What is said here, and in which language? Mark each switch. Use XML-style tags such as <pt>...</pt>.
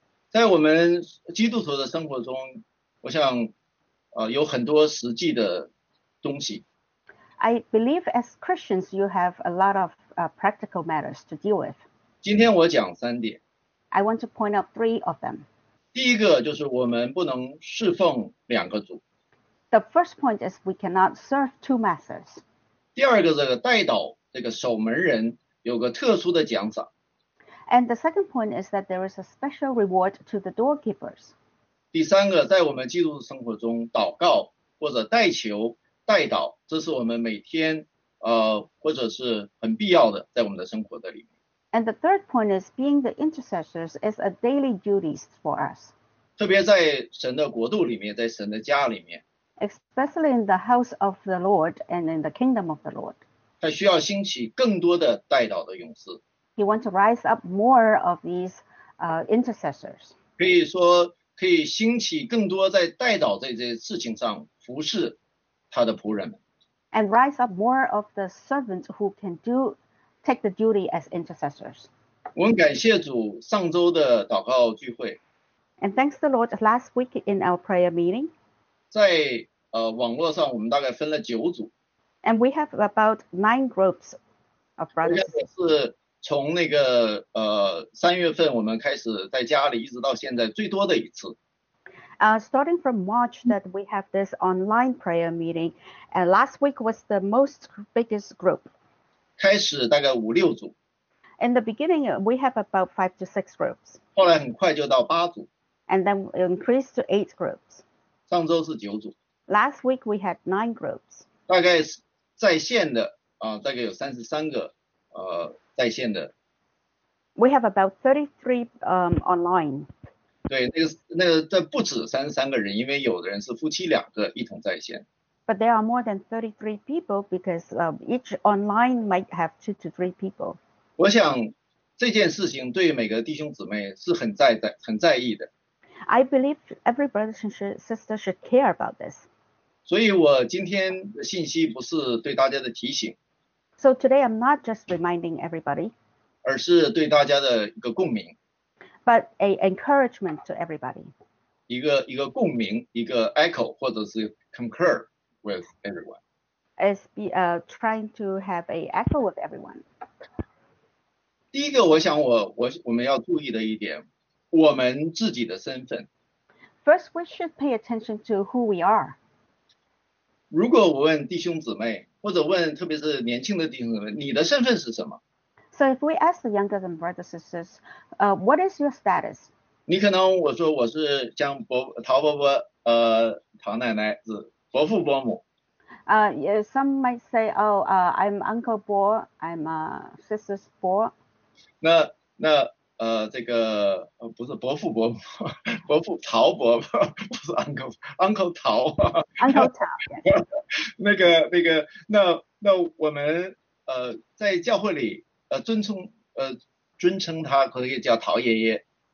<zh>在我们基督徒的生活中，我想有很多实际的东西。</zh> <en>I believe as Christians, you have a lot of practical matters to deal with.</en> <zh>今天我讲三点。</zh> <en>I want to point out three of them.</en> <zh>第一个就是我们不能侍奉两个主。</zh> <en>The first point is we cannot serve two masters.</en> <zh>第二个，这个代祷，这个守门人有个特殊的奖赏。</zh> <en>And the second point is that there is a special reward to the doorkeepers.</en> <zh>第三个，在我们基督生活中，祷告或者代求、代祷，这是我们每天或者是很必要的，在我们的生活的里面。</zh> <en>And the third point is being the intercessors is a daily duty for us.</en> <zh>特别在神的国度里面，在神的家里面。</zh> <en>Especially in the house of the Lord and in the kingdom of the Lord.</en> <zh>他需要兴起更多的代祷的勇士。</zh> <en>He wants to rise up more of these intercessors.</en> <zh>可以说可以兴起更多在代祷这些事情上服侍他的仆人们。</zh> <en>And rise up more of the servants who can take the duty as intercessors.</en> <zh>我们感谢主上周的祷告聚会。</zh> <en>And thanks the Lord last week in our prayer meeting.</en> <zh>在网络上我们大概分了九组。</zh> <en>And we have about nine groups of brothers.</en> <zh>是从那个三月份我们开始在家里一直到现在最多的一次。</zh> <en>Starting from March that we have this online prayer meeting, and last week was the most biggest group.</en> <zh>开始大概五六组。</zh> <en>In the beginning, we have about 5 to 6 groups.</en> <zh>后来很快就到八组。</zh> <en>And then we increased to 8 groups.</en> <zh>上周是九组。</zh> <en>Last week we had 9 groups.</en> <zh>大概在线的大概有33个在线的。</zh> <en>We have about 33 online.</en> <zh>对，那个不止33个人，因为有的人是夫妻两个一同在线。</zh> <en>But there are more than 33 people because each online might have 2 to 3 people.</en> <zh>我想这件事情对每个弟兄姊妹是很在意的。</zh> <en>I believe every brother and sister should care about this.</en> <zh>所以我今天的信息不是对大家的提醒。</zh> <en>So today I'm not just reminding everybody.</en> <zh>而是对大家的一个共鸣。</zh> <en>But an encouragement to everybody.</en> <zh>一个共鸣，一个 echo 或者是</zh> <en>concur with everyone. As trying to have an echo with everyone.</en> <zh>第一个我想我们要注意的一点，我们自己的身份。</zh> <en>First, we should pay attention to who we are.</en> <zh>如果我问弟兄姊妹，或者问特别是年轻的弟兄姊妹，你的身份是什么？</zh> <en>So if we ask the younger than brothers and sisters, what is your status?</en> <zh>你可能我说我是像陶伯伯、陶奶奶、子伯父伯母。</zh> <en>Some might say, I'm Uncle Bo, I'm Sister Bo.</en> <zh>那这个不是伯父伯母，伯父陶伯伯，不是 Uncle 陶。</zh> <en>Uncle 陶。</en> <zh>那个，那我们在教会里尊称他可以叫陶爷爷。</zh>